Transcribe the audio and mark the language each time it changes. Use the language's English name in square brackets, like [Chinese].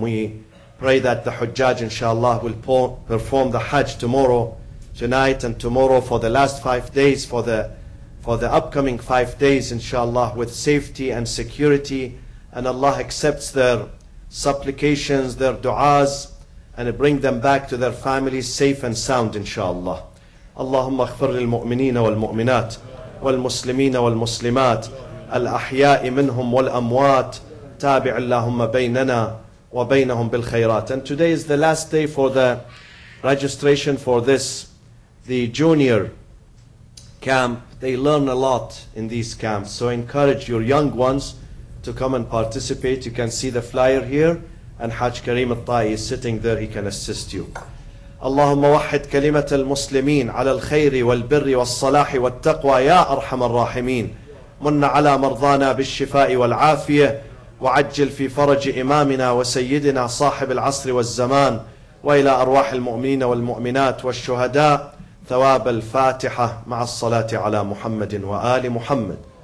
[English] We pray that the Hujjaj, inshallah, will perform the Hajj tomorrow, tonight and tomorrow, for the last 5 days, for the upcoming 5 days, inshallah, with safety and security. And Allah accepts their supplications, their du'as, and bring them back to their families safe and sound, inshallah. [Arabic] Allahumma اغفر للمؤمنين والمؤمنات والمسلمين والمسلمات الأحياء منهم والأموات تابع اللهم بيننا وبينهم بالخيرات. [English] And today is the last day for the registration for this, the junior camp. They learn a lot in these camps, so encourage your young ones to come and participate. You can see the flyer here, and Haj Karim al-Tai is sitting there, he can assist you. [Arabic] اللهم وحد كلمة المسلمين على الخير والبر والصلاح والتقوى يا أرحم الراحمين من على مرضانا بالشفاء والعافية وعجل في فرج إمامنا وسيدنا صاحب العصر والزمان وإلى أرواح المؤمنين والمؤمنات والشهداء ثواب الفاتحة مع الصلاة على محمد وآل محمد.